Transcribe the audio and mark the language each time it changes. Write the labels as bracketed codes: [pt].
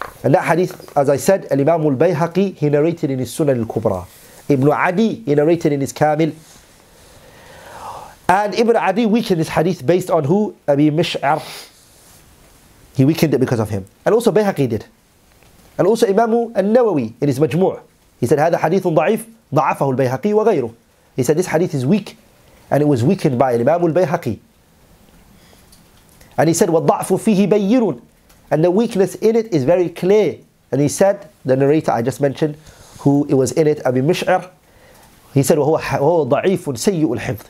[en] And that hadith, as I said, Imam al-Bayhaqi, he narrated in his Sunan al-Kubra. Ibn Adi, he narrated in his Kamil. And Ibn Adi weakened this hadith based on who? Abi Mish'ar. He weakened it because of him. And also Bayhaqi did. And also Imam al-Nawawi in his Majmu'. He said, [ar] هذا حديث ضعيف ضعفه البيهقي وغيره. [en] He said, this hadith is weak. And it was weakened by Imam al-Bayhaqi. And he said, [ar] وَالضَّعْفُ فِيهِ بَيِّنٌ. [en] And the weakness in it is very clear. And he said, the narrator I just mentioned, who it was in it, Abi Mish'ar, he said, [ar] وَهُوَ ضَعِيفٌ سَيُّ الْحِفْظِ.